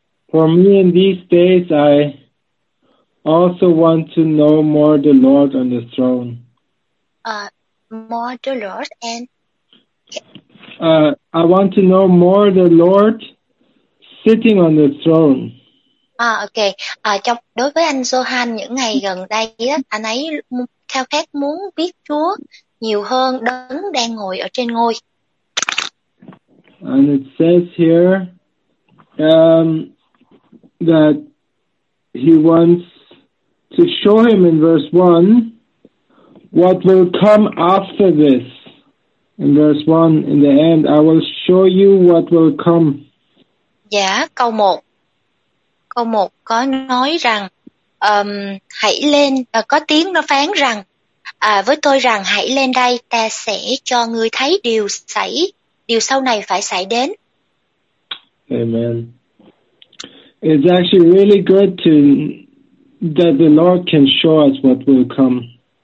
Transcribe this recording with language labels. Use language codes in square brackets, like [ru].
[en] For me in these days, I also want to know more the Lord on the throne. More the Lord and... I want to know more the Lord sitting on the throne. Okay. [vi] Đối với anh Johan những ngày gần đây á, anh ấy khao khát muốn biết Chúa nhiều hơn đấng đang ngồi ở trên ngôi. [en] And it says here that he wants to show him in verse 1 what will come after this. In verse 1, in the end, I will show you what will come. [vi] Dạ, câu 1. Câu 1 có nói rằng hãy lên, có tiếng nó phán rằng với tôi rằng hãy lên đây, ta sẽ cho ngươi thấy điều sau này phải xảy đến. [en] Amen. It's actually really good to that the Lord can show us what will come.